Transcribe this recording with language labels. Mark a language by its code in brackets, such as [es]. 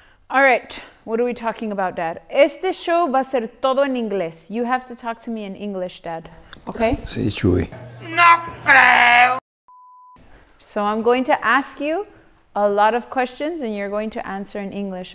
[en] All right, what are we talking about, Dad? [es] Este show va a ser todo en inglés. [en] You have to talk to me in English, Dad. Okay? [es] Sí, Chuy. No creo. [en] So I'm going to ask you a lot of questions and you're going to answer in English.